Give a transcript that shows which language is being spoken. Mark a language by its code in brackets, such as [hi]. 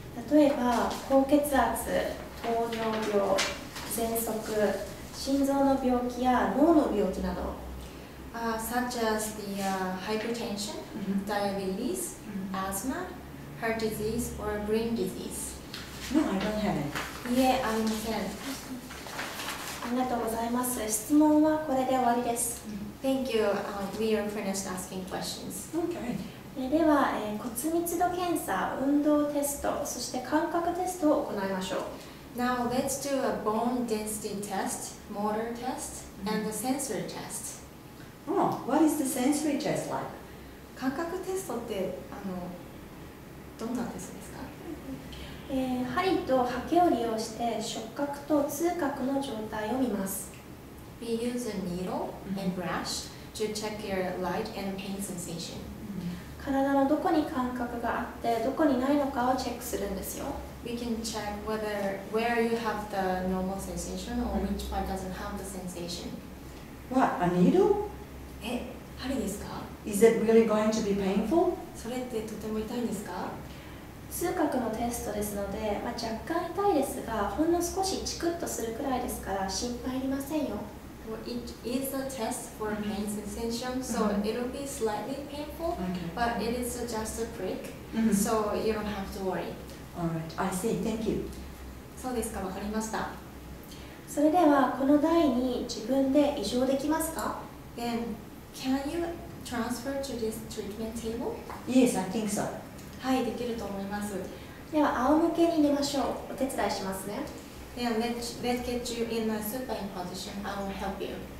[ja] 例えば、高血圧、糖尿病、喘息、心臓の病気や脳の病気など。 [en] Such as the hypertension, diabetes, asthma, heart disease, or brain disease. No, I don't have it. [ja] いえ、ありません。ありがとうございます。質問はこれで終わりです。 [en] Thank you. We are finished asking questions. Okay. [ja] では、骨密度検査、運動テスト、そして感覚テストを行いましょう。 [en] Now, let's do a bone density test, motor test, and a sensory test. Oh, what is the sensory test like? [ja] 感覚テストって、どんなテストですか? 針とハケを利用して触覚と痛覚の状態を見ます。 [en] We use a needle and brush to check your light and pain sensation. [ja] 体のどこに感覚があってどこにないのかをチェックするんですよ。 [en] We can check whether where you have the normal sensation or which part doesn't have the sensation. What? A needle? [ja] 針ですか? [en] Is it really going to be painful? [ja] それってとても痛いんですか? 痛覚のテストですので、まあ、若干痛いですが、ほんの少しチクッとするくらいですから、心配いりませんよ。 [en] Well, it is a test for pain sensation, so it'll be slightly painful, but it is just a prick, so you don't have to worry. Alright, I see, thank you. [ja] そうですか、わかりました。それでは、この台に自分で移乗できますか? [en] Then, can you transfer to this treatment table? Yes, I think so. [ja] はい、できると思います。では、仰向けに寝ましょう。お手伝いしますね。 [en] Then, let's get you in a supine position. I will help you.